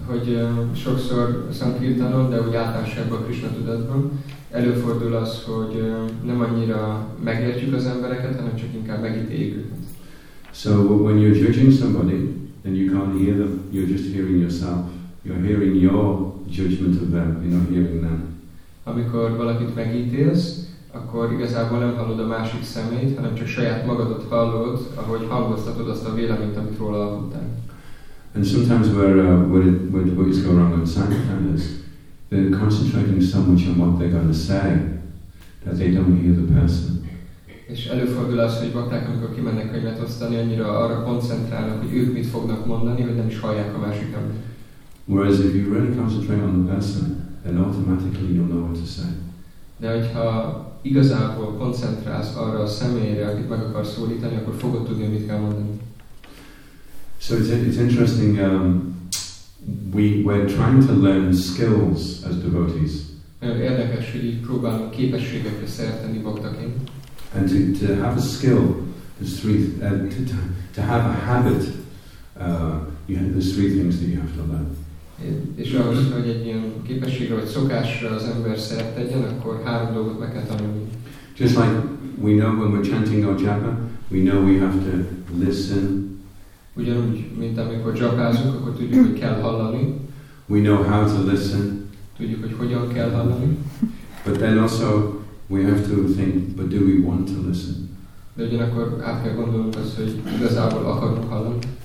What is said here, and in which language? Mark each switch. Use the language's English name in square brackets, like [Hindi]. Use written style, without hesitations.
[Hungarian] Hogy sokszor Sankirtanon, de úgy általánosabban a Krishna tudatban előfordul az, hogy nem annyira megértjük az embereket, hanem csak inkább megítéljük őket. [English] So when you're judging somebody, then you can't hear them. You're just hearing yourself. You're hearing your judgment of them. You're not hearing them. [Hungarian] Amikor valakit megítélsz, akkor igazából nem hallod a másik szemét, hanem csak saját magadat hallod, ahogy hangoztatod azt a véleményt, amit róla hallottál. [English] And sometimes where what is going wrong on Sankirtan is, they're concentrating so much on what they're going to say that they don't hear the person. [Hungarian] És előfordul az, hogy bakták, amikor kimennek könyvet osztani, annyira arra koncentrálnak, hogy ők mit fognak mondani, hogy nem is hallják a másik embert. [English] Whereas if you really concentrate on the person, then automatically you'll know what to say. [Hungarian] De hogyha igazából koncentrálsz arra a személyre, akit meg akarsz szólítani, akkor fogod tudni, mit kell mondani. [English] So it's interesting, we're trying to learn skills as devotees. [Hungarian] Nagyon érdekes, hogy így próbálunk képességekre szerteni baktaként. [English] And to have a skill, there's three. To have a habit, there's three things that you have to learn. [Hungarian] És ahhoz, hogy egy ilyen képességre vagy szokásra az ember szert tegyen, akkor három dolgot meg kell tanulni. [English] Just like we know when we're chanting our japa, we know we have to listen. [Hungarian] Ugyanúgy, mint amikor japázunk, akkor tudjuk, hogy kell hallani. [English] We know how to listen. [Hungarian] Tudjuk, hogy hogyan kell hallani. [English] But then also, we have to think, but do we want to listen? [Hungarian] De ugyanakkor át kell gondolnunk azt, hogy igazából akarunk hallani.